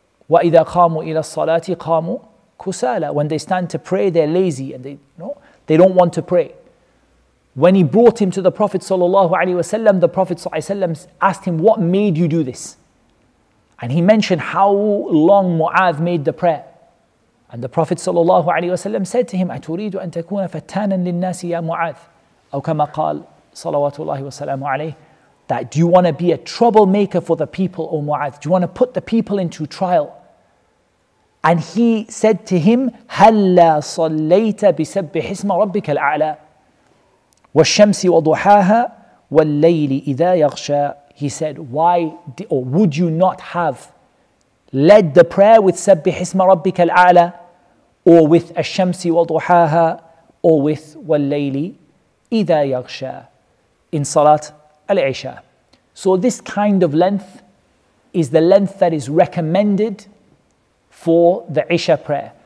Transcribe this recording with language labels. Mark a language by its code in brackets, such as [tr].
[ar] وَإِذَا قَامُوا إِلَى الصَّلَاةِ قَامُوا كُسَالَى. [en] When they stand to pray, they're lazy and they don't want to pray. When he brought him to the Prophet ﷺ, the Prophet ﷺ asked him, what made you do this? And he mentioned how long Mu'adh made the prayer. And the Prophet ﷺ said to him, [ar] أَتُرِيدُ أَن تَكُونَ فَتَّانًا لِلنَّاسِ يَا مُعَاذ أَوْ كَمَا قَالْ صَلَوَاتُ اللَّهِ وَسَلَامُ عَلَيْهِ. [en] That do you want to be a troublemaker for the people, O Mu'adh? Do you want to put the people into trial? And he said to him, [ar] هَلَّا صَلَّيْتَ بِسَبِّحِ اسْمَ رَبِّكَ الْأَعْلَى وَالشَّمْسِ وَضُحَاهَا وَاللَّيْلِ إِذَا يَغْشَى. [en] He said, would you not have led the prayer with [ar] سَبِّحِ اسْمَ رَبِّكَ الْأَعْلَى [en] or with [ar] الشَّمْسِ وَضُحَاهَا [en] or with [ar] وَاللَّيْلِ إِذَا يَغْشَى [en] in Salat Al-Isha. So this kind of length is the length that is recommended for the Isha prayer.